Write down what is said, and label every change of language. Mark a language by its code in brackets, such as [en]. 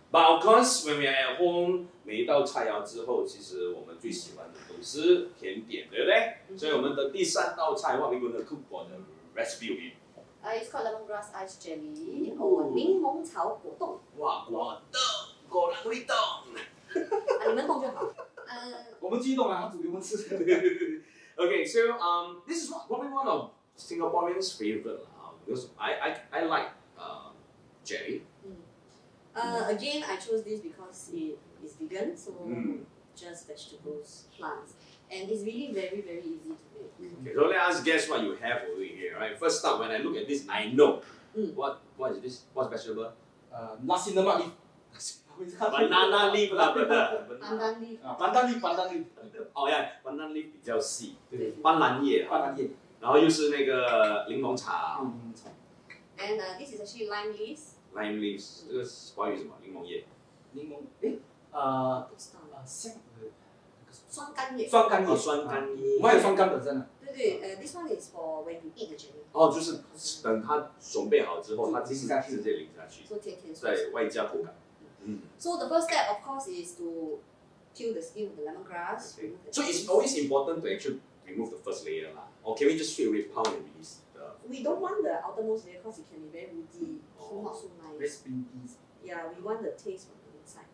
[en] But of course, when we are at home, [zh] 每一道菜肴之后，其实我们最喜欢的都是甜点，对不对？所以我们的第三道菜 [en] ，What are we going to cook for the recipe? It's called lemongrass ice jelly, [zh] 柠檬草果冻。哇，果冻，果然会冻。你们冻就好。我们激动啊，煮给我们吃。 [en] Okay, so this is probably one of Singaporeans' favorite, because I like jelly. Again, I chose this because it is vegan, so just vegetables, plants, and it's really very, very easy to make. Okay, so let us guess what you have over here, right? First up, when I look at this, I know. What is this? What's vegetable? Nasi lemak leaf. Banana leaf, lah, brother. Pandan leaf. Pandan leaf, pandan leaf. Oh, yeah, pandan leaf [zh] 比较细.斑斓叶. 斑斓叶. 然后又是那个柠檬茶. 柠檬茶. [en] And this is actually lime leaves. [zh] Lime leaves，这个华语什么？柠檬叶。柠檬，不知道了。酸甘叶。酸甘叶，酸甘叶。我们有酸甘本身啊。对对， [en] this one is for when you eat the jelly。 [zh] 哦，就是等它准备好之后，它自己直接淋下去。说甜甜。对，外加口感。 [en] So the first step, of course, is to peel the skin of the lemongrass. So it's always important to actually remove the first layer, lah. Or can we just feel it pound and release? We don't want the outermost layer because it can be very woody, so not so nice. Very springy. Yeah, we want the taste from the inside.